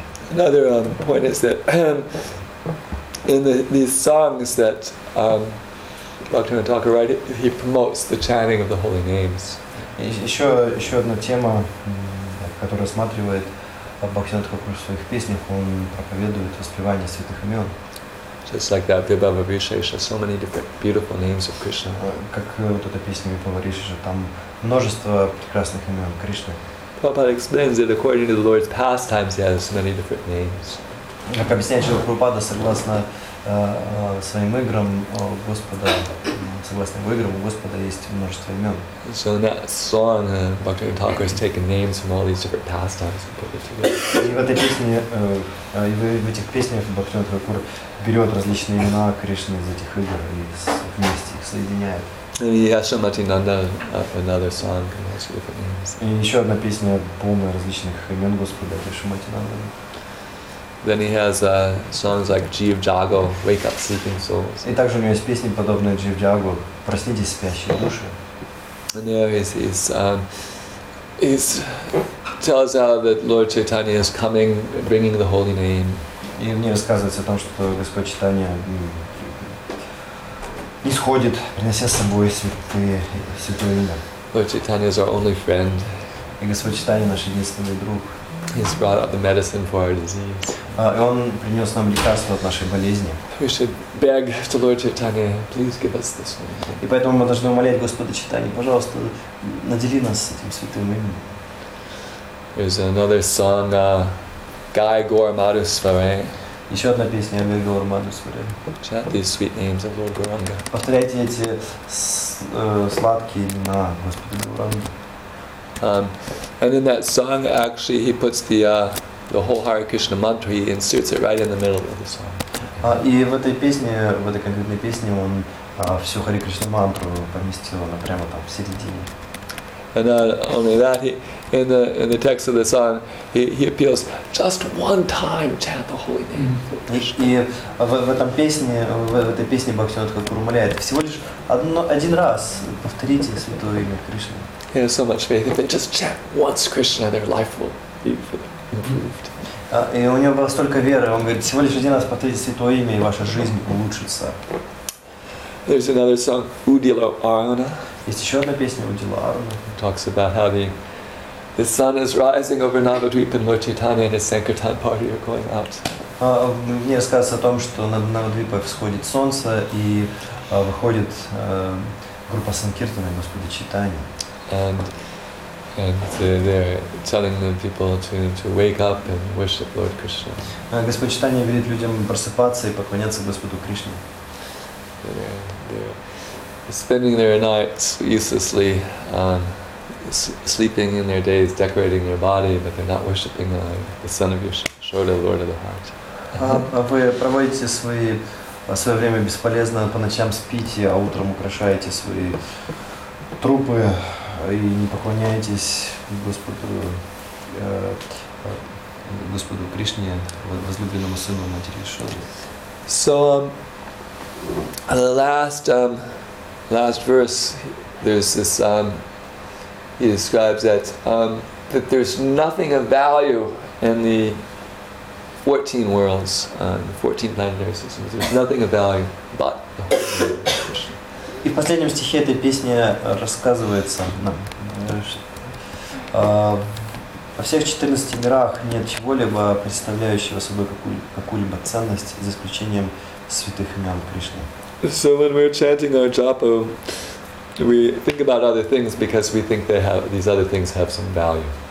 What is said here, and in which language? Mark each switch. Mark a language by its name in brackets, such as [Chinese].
[English] Another point is that in these songs that Bhaktivinoda Thakur writes, he promotes the chanting of the holy names. [Russian] Еще одна тема, которую рассматривает Бхактивинода Тхакур в своих песнях, он проповедует воспевание святых имен. [English] Just like that, Vibhava Vishesha, so many different beautiful names of Krishna. [Russian] Как вот эта песня Vibhava Vishesha, там множество прекрасных имен Кришны. [English] Prabhupada explains that according to the Lord's pastimes, he has many different names. [Russian] Как объясняет Шрила Прабхупада, согласно своим играм Господа, согласно его играм, у Господа есть множество имен. [English] So in that song, Bhaktivinoda Thakur has taken names from all these different pastimes and put it together. [Russian] В этих песнях Бхактивинода Тхакур берет различные имена Кришны из этих игр и вместе их соединяет. [English] And Yashomati Nanda, another song, can also have different names. [Russian] И еще одна песня полная различных имен Господа, Yashomati Nanda. [English] Then he has songs like Jeev Jago, Wake Up Sleeping Souls. [Russian] И также у него есть песни подобные Jeev Jago, Проснитесь спящие души. [English] And there he's tells how that Lord Chaitanya is coming, bringing the holy name. [Russian] И мне рассказывается о том, что Господь Чайтанья исходит, принося с собой святое имя. [English] Lord Chaitanya is our only friend. [Russian] И Господь Чайтанья наш единственный друг. [English] He's brought out the medicine for our disease. [Russian] И он принес нам лекарство от нашей болезни. [English] We should beg to Lord Chaitanya, please give us this one. [Russian] И поэтому мы должны умолять Господа Чайтанья, пожалуйста, надели нас этим святым именем. [English] There's another song, Guy Gauramadhusvare. [Russian] Еще одна песня о Гаурамадхусваре. [English] Chant these sweet names of Lord Gauranga. [Russian] Повторяйте эти сладкие имена Господа Гауранги. [English] And in that song, actually, he puts the whole Hare Krishna mantra. He inserts it right in the middle of the song. [Russian] И в этой песне, в этой конкретной песне, он всю Харе Кришна мантру поместил прямо там в середине. [English] And not only that, in the text of the song, he appeals just one time, chant the holy name. [Russian] И в этом песне, в этой песне Бхактивинода Тхакура умоляет всего лишь один раз повторите святое имя Кришны. [English] He has so much faith. If they just chant once Krishna, their life will be improved. [Russian] И у него было столько веры. Он говорит, всего лишь один раз повторите святое имя, и ваша жизнь улучшится. [English] There's another song, Udilo Arjuna. [Russian] Есть еще одна песня Удила Арджуна. [English] Talks about how the sun is rising over Navadvip and Lord Chaitanya and his Sankirtan party are going out. [Russian] Мне рассказывается о том, что на Навадвипе всходит солнце и выходит группа Санкиртана Господа Чайтаньи. [English] And they're telling the people to wake up and worship Lord Krishna. [Russian] Господь Чайтанья велит людям просыпаться и поклоняться Господу Кришне. [English] They're spending their nights uselessly, sleeping in their days, decorating their body, but they're not worshiping the son of Yashoda, Lord of the Heart. [Russian] Вы проводите свое время бесполезно, по ночам спите, а утром украшаете свои трупы и не поклоняетесь Господу Кришне, возлюбленному сыну матери Шоды. [English] So, the last verse, there's this, he describes that there's nothing of value in the 14 worlds, the 14 planetary systems. There's nothing of value but the Holy Krishna. [Russian] И в последнем стихе этой песни рассказывается нам, во всех 14 мирах нет чего-либо представляющего собой какую-либо ценность, за исключением святых имен Кришны. [English] So when we're chanting our japa, we think about other things because we think these other things have some value.